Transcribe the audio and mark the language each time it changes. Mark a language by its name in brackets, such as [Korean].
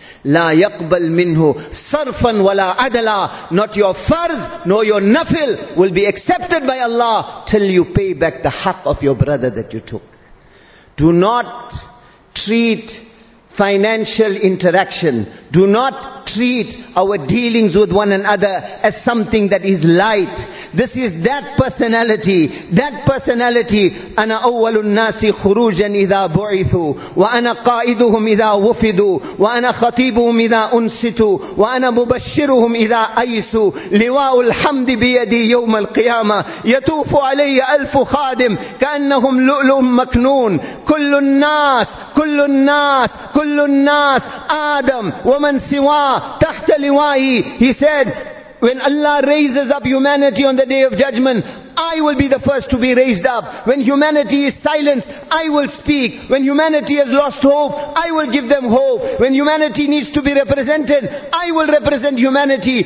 [Arabic] La yaqbal minhu sarfan wala adala, [English] not your farz nor your nafil will be accepted by Allah till you pay back the haqq of your brother that you took. Do not treat financial interaction. Do not treat our dealings with one another as something that is light. This is that personality. That personality. [Arabic] أنا أول الناس خروجا إذا بعثوا وأنا قائدهم إذا وفدوا وأنا خطيبهم إذا أنستوا وأنا مبشرهم إذا أيسوا لواء الحمد بيدي يوم القيامة يتوف علي ألف خادم كأنهم لؤلؤ مكنون كل الناس كل الناس كل الناس آدم ومن سواه تحت لوائي. [English] He said, when Allah raises up humanity on the day of judgment, I will be the first to be raised up. When humanity is silenced, I will speak. When humanity has lost hope, I will give them hope. When humanity needs to be represented, I will represent humanity.